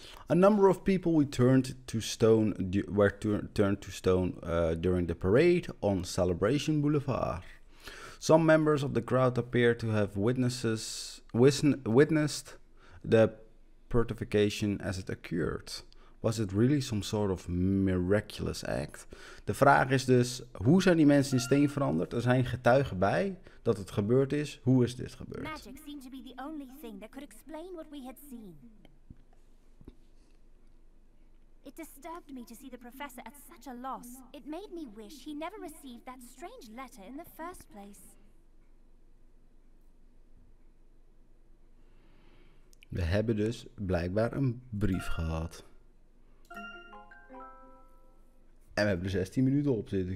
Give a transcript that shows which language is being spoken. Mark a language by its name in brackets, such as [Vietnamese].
[English] A number of people were turned to stone during the parade on Celebration Boulevard. Some members of the crowd appear to have witnessed the petrification as it occurred. Was it really some sort of miraculous act? [Dutch] De vraag is dus, hoe zijn die mensen in steen veranderd? Er zijn getuigen bij dat het gebeurd is. Hoe is dit gebeurd? [English] Magic seemed to be the only thing that could explain what we had seen. It disturbed me to see the professor at such a loss. It made me wish he never received that strange letter in the first place. [Dutch] We hebben dus blijkbaar een brief gehad. En we hebben er 16 minuten op zitten.